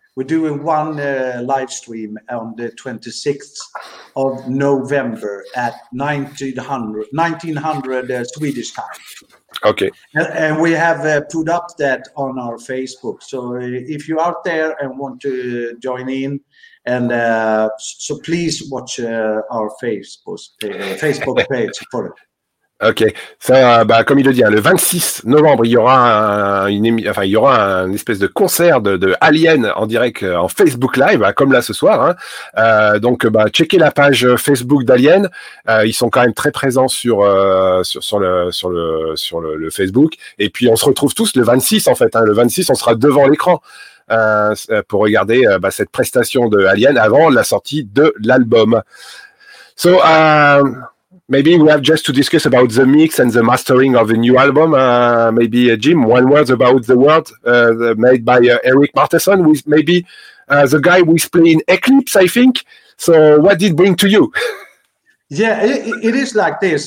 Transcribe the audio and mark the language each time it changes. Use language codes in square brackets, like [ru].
[en] We're doing one live stream on the 26th of November at 1900 Swedish time. Okay. And we have put up that on our Facebook. So if you're out there and want to join in, and so please watch our Facebook page for it. [fr] Ok, ça, comme il le dit, hein, le 26 novembre, il y aura une espèce de concert de Alien en direct en Facebook Live, hein, comme là ce soir. Hein. Donc, checkez la page Facebook d'Alien. Ils sont quand même très présents sur le Facebook. Et puis, on se retrouve tous le 26 en fait. Hein, le 26, on sera devant l'écran pour regarder cette prestation de Alien avant la sortie de l'album. [en] So. Maybe we have just to discuss about the mix and the mastering of the new album. Maybe Jim, one word about the world made by Eric Martinson, with maybe the guy who is playing Eclipse, I think. So what did it bring to you? Yeah, it is like this.